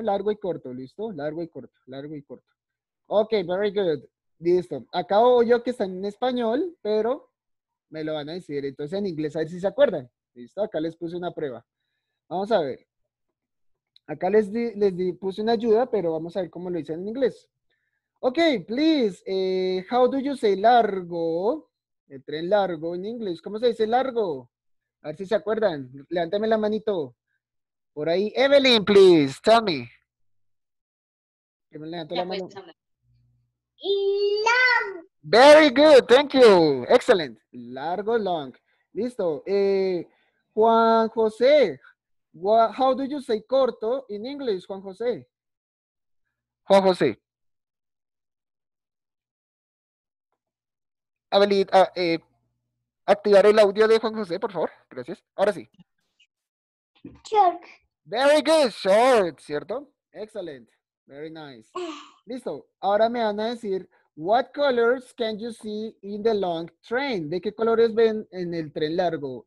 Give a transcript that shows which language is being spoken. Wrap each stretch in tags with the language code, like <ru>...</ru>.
<es>Largo y corto, ¿listo? Largo y corto, largo y corto.</es> <en>Ok, very good,</en> <es>listo. Acabo yo que está en español, pero me lo van a decir. Entonces, en inglés, a ver si se acuerdan, ¿listo? Acá les puse una prueba. Vamos a ver. Acá puse una ayuda, pero vamos a ver cómo lo dicen en inglés.</es> <en>Ok, please, how do you say largo?</en> <es>El tren largo en inglés, ¿cómo se dice largo? A ver si se acuerdan. Levántame la manito. Por ahí. Evelyn,</es> <en>please. Tell me.</en> <es>Que me levanto la mano.</es> <en>Long. Very good. Thank you. Excellent. Largo, long. Listo. Juan José. How do you say corto in English, Juan José? Juan José.</en> <es>Evelyn, activar el audio de Juan José, por favor. Gracias. Ahora sí.</es> <en>Short. Very good.</en> <es>Short, ¿cierto?</es> <en>Excellent. Very nice.</en> <es>Listo. Ahora me van a decir,</es> <en>What colors can you see in the long train?</en> <es>¿De qué colores ven en el tren largo?</es>